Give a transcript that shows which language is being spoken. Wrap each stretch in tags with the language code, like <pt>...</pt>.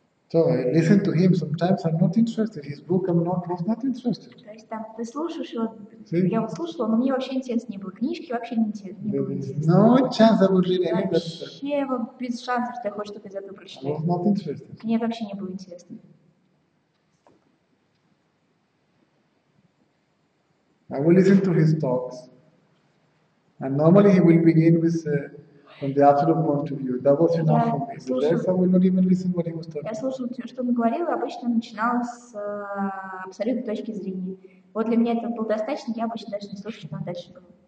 <en>So I listen to him sometimes, I'm not interested. His book he's not interested.</en> <ru>То есть там ты слушаешь его, я его слушала, но мне вообще интересно не было. Книжки вообще не интересно.</ru> <en>No chance I would read any of that.</en> <ru>Вообще без шансов, что я хоть что-то из этого прочитаю.</ru> <en>I was not interested.</en> <ru>Мне вообще не было интересно.</ru> <en>I will listen to his talks. And normally he will begin with from the absolute point of view, that was enough for me. The rest I will not even listen what he was talking.</en> <ru>Я слушал, что он говорил, и обычно начинал с абсолютной точки зрения. Вот для меня это было достаточно, я обычно даже не слушал, что там дальше было.</ru>